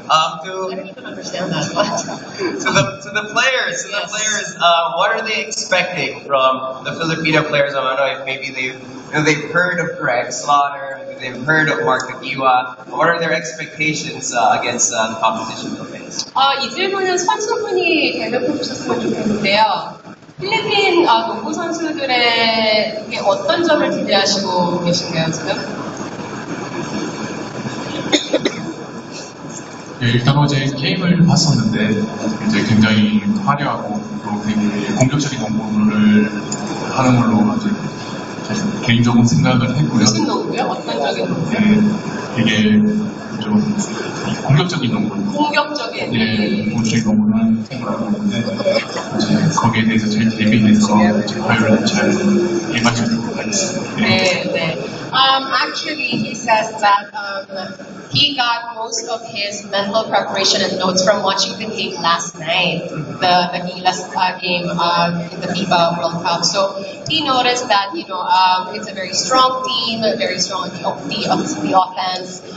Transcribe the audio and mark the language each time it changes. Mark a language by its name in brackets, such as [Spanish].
[English] I don't even understand that. What? To the players, what are they expecting from the Filipino players? I don't know if maybe they've heard of Greg Slaughter, maybe they've heard of Mark Aguiwa. What are their expectations against the competition they'll face? [Korean] 이 질문은 선수분이 대답해 주셨으면 좋겠는데요. 필리핀 농구 선수들의 어떤 점을 기대하시고 계신가요, 지금? 예, 일단 어제 게임을 봤었는데 이제 굉장히 화려하고 또 굉장히 공격적인 공부를 하는 걸로 아주 개인적인 생각을 했고요. 무슨 농구요? 어떤 적인 농구요? 예, 이게 좀 공격적인 농구. 공격적인? 예, 공격적인 농구는 하는 팀이라고 보는데 이제 거기에 대해서 잘 대비해서 화요일에 잘 예방적으로 가겠습니다. 예. 네, 네. [English] Actually, he says that he got most of his mental preparation and notes from watching the game last night, the Gila game in the FIBA World Cup. So he noticed that, you know, it's a very strong team, very strong the offense.